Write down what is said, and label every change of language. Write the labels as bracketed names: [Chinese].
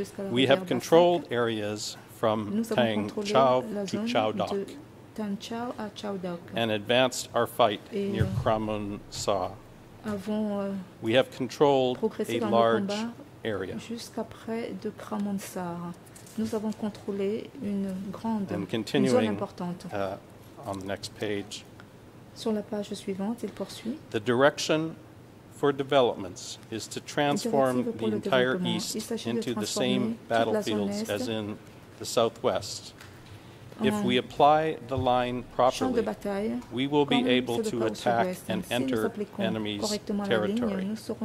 [English] We have controlled areas from Tang Chau to Chau Dok and advanced our fight near Kramun Sa. We have controlled a large area. [French] Jusqu'après de Kramun Sa, nous avons contrôlé une grande zone importante. [English] On the next page, [French] sur la page suivante, il poursuit. [English] The direction for developments is to transform the entire east into the same battlefields as in the southwest. If we apply the line properly, we will be able to attack and enter enemies' territory.